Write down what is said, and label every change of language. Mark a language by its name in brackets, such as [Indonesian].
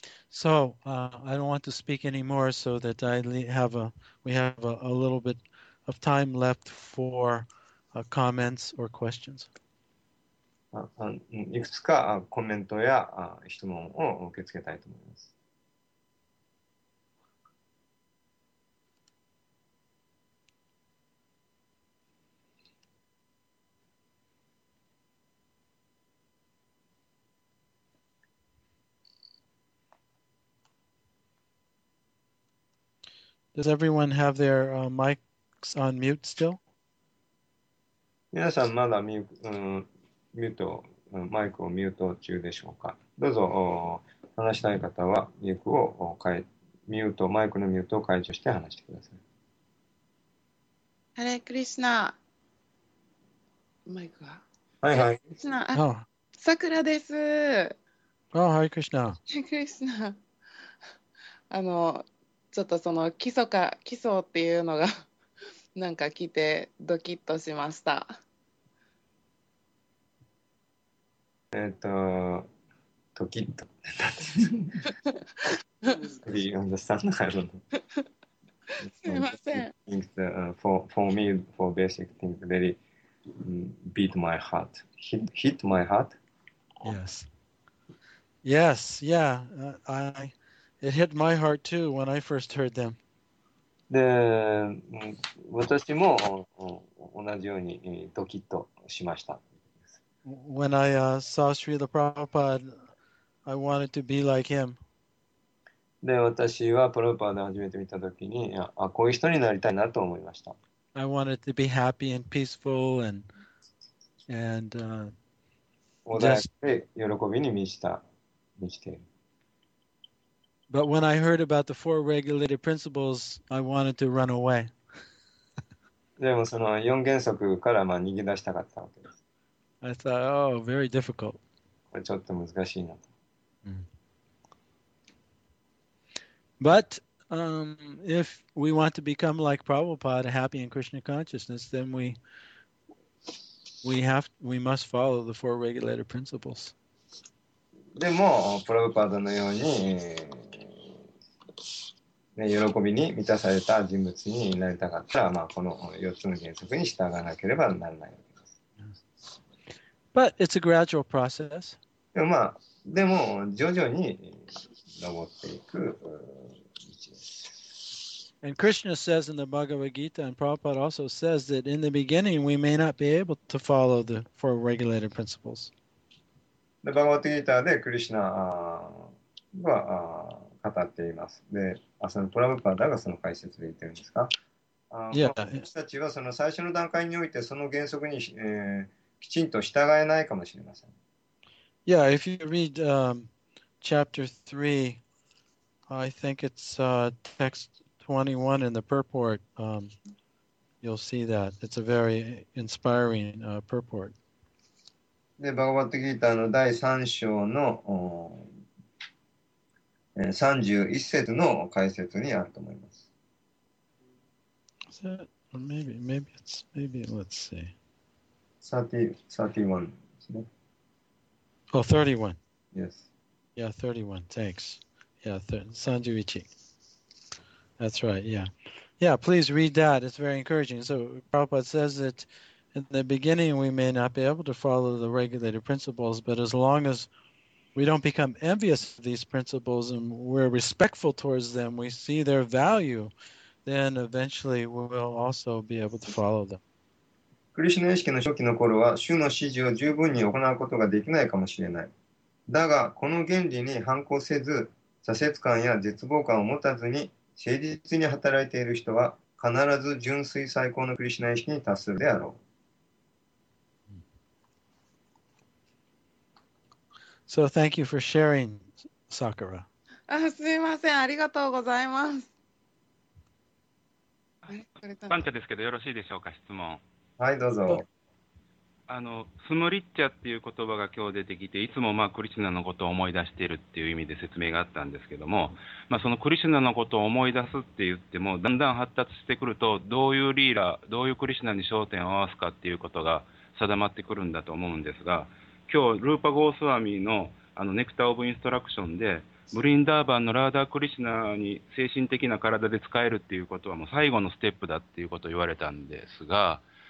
[English] So, I don't want to speak anymore so that we have a little bit of time left for comments or questions. [Japanese] いくつかコメントや質問を受け付けたいと思います。 [English] Does everyone have their mics on mute still? [Japanese] 皆さんまだミュート、マイクをミュート中でしょうか。どうぞ話したい方はミュークを変え、ミュート、マイクのミュートを解除して話してください。ハレクリスナ、マイクは。はいはい。クリスナ、さくらです。あ、ハレクリスナ。クリスナ、ちょっとその基礎っていうのがなんか来てドキッとしました。ドキッと [English] Be understandable. [Japanese] すいません。 [English] things, for me, for basic things, very beat my heart. Hit my heart? Yes. Yes, yeah, It hit my heart too when I first heard them. [Japanese] で、私も同じようにドキッとしました。 [English] When I saw Srila Prabhupada, I wanted to be like him. [Japanese] で、私はプラヴァパーダを初めて見たときに、あ、こういう人になりたいなと思いました。 [English] I wanted to be happy and peaceful and [Japanese] 穏やかで喜びに満ちている。 [English] But when I heard about the four regulated principles, I wanted to run away. [Japanese] でもその四原則からまあ逃げ出したかったわけです。 [English] I thought, oh, very difficult. [Japanese] これちょっと難しいなと。 [English] But if we want to become like Prabhupada, happy in Krishna consciousness, then we must follow the four regulated principles. [Japanese] でもプラヴパーダのように喜びに満たされた人物になりたかったら、まあ、この4つの原則に従わなければならないわけです。 [English] But it's a gradual process. [Japanese] でも、まあ、でも徐々に登っていく道です。 [English] And Krishna says in the Bhagavad Gita, and Prabhupada also says that in the beginning we may not be able to follow the four regulated principles. [Japanese] で、バガヴァッド・ギーターでクリシュナは、語っています。で、そのプラブパダがその解説で言ってるんですか。私たちはその最初の段階においてその原則に、きちんと従えないかもしれません。 [English] Yeah, if you read chapter 3, I think it's text 21 in the purport, you'll see that. It's a very inspiring purport. [Japanese] で、バガヴァッド・ギーターの第3章の31節の解説にあると思います。 [English] Maybe let's see. 31. Oh, 31. Yes. Yeah, 31. Thanks. Yeah, 31. That's right. Yeah. Yeah, please read that. It's very encouraging. So Prabhupada says that in the beginning we may not be able to follow the regulated principles, but as long as we don't become envious of these principles and we're respectful towards them, we see their value, then eventually we will also be able to follow them. [Japanese] クリシナ意識の初期の頃は、主の指示を十分に行うことができないかもしれない。だが、この原理に反抗せず、挫折感や絶望感を持たずに、誠実に働いている人は、必ず純粋最高のクリシナ意識に達するであろう。 [English] So, thank you for sharing, Sakura. [Japanese] すみません、ありがとうございます。パンチャですけど、よろしいでしょうか、質問。はい、どうぞ。スムリッチャっていう言葉が今日出てきて、いつもまあクリシュナのことを思い出しているっていう意味で説明があったんですけども、まあ、そのクリシュナのことを思い出すって言っても、だんだん発達してくると、どういうリーラー、どういうクリシュナに焦点を合わすかっていうことが定まってくるんだと思うんですが、今日、ルーパ・ゴースワミの、ネクター・オブ・インストラクションで、ブリンダーバンのラーダークリシナに精神的な体で使えるっていうことはもう最後のステップだっていうことを言われたんですが、